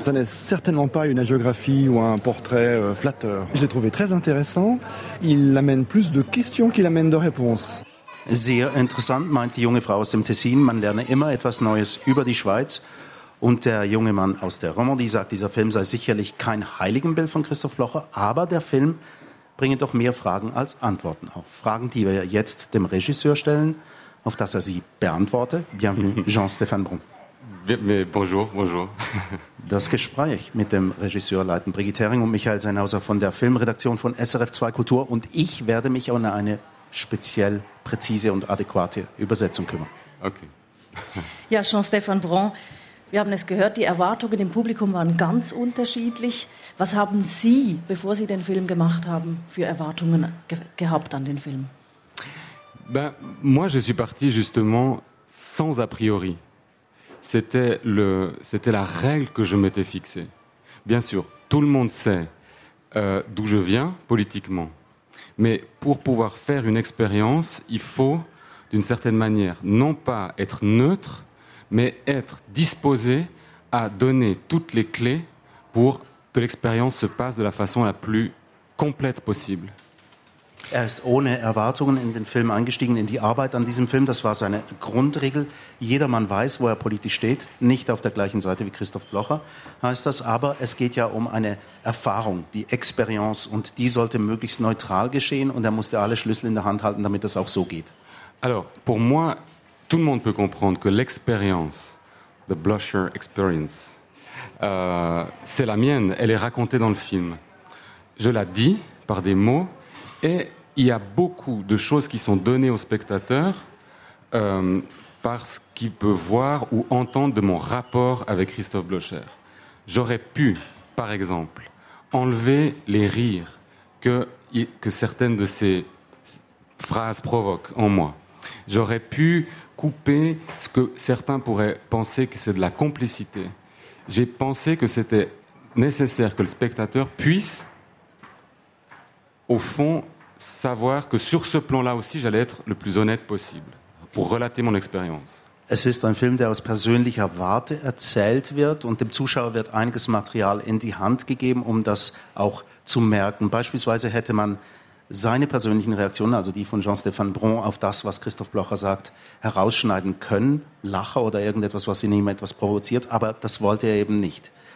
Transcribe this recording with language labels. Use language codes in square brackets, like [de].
[fr] Ce n'est certainement pas une agiographie ou un portrait flatteur. J'ai trouvé très intéressant. Il amène plus de questions qu'il amène de réponses. [de] Sehr interessant, meint die junge Frau aus dem Tessin. Man lerne immer etwas Neues über die Schweiz. Und der junge Mann aus der Romandie sagt, dieser Film sei sicherlich kein Heiligenbild von Christoph Blocher, aber der Film bringe doch mehr Fragen als Antworten auf. Fragen, die wir jetzt dem Regisseur stellen, auf das er sie beantworte. [fr] Bienvenue, Jean-Stéphane Bon. Bonjour, bonjour. [de] Das Gespräch mit dem Regisseur leiten Brigitte Hering und Michael Seinhauser von der Filmredaktion von SRF 2 Kultur und ich werde mich um eine speziell präzise und adäquate Übersetzung kümmern. Okay. Ja, Jean-Stéphane Bon, wir haben es gehört, die Erwartungen im Publikum waren ganz unterschiedlich. Was haben Sie, bevor Sie den Film gemacht haben, für Erwartungen gehabt an den Film? [fr] Moi, je suis parti justement sans a priori. C'était la règle que je m'étais fixée. Bien sûr, tout le monde sait d'où je viens politiquement. Mais pour pouvoir faire une expérience, il faut, d'une certaine manière, non pas être neutre, mais être disposé à donner toutes les clés pour que l'expérience se passe de la façon la plus complète possible. [de] Er ist ohne Erwartungen in den Film eingestiegen, in die Arbeit an diesem Film. Das war seine Grundregel. Jedermann weiß, wo er politisch steht. Nicht auf der gleichen Seite wie Christoph Blocher, heißt das. Aber es geht ja um eine Erfahrung, die Experience. Und die sollte möglichst neutral geschehen. Und er musste alle Schlüssel in der Hand halten, damit das auch so geht. [fr] Alors, pour moi, tout le monde peut comprendre que l'expérience, [en] the Blocher experience, [fr] c'est la mienne. Elle est racontée dans le film. Je la dis par des mots. Et il y a beaucoup de choses qui sont données au spectateur par ce qu'il peut voir ou entendre de mon rapport avec Christophe Blocher. J'aurais pu, par exemple, enlever les rires que certaines de ces phrases provoquent en moi. J'aurais pu couper ce que certains pourraient penser que c'est de la complicité. J'ai pensé que c'était nécessaire que le spectateur puisse... au fond, savoir que sur ce plan-là aussi, j'allais être le plus honnête possible pour relater mon expérience. [de] Es ist ein Film, der aus persönlicher Warte erzählt wird und dem Zuschauer wird einiges Material in die Hand gegeben, um das auch zu merken. Beispielsweise hätte man seine persönlichen Reaktionen, also die von Jean-Stéphane Bron, auf das, was Christoph Blocher sagt, herausschneiden können, Lacher oder irgendetwas, was ihn immer etwas provoziert, aber das wollte er eben nicht.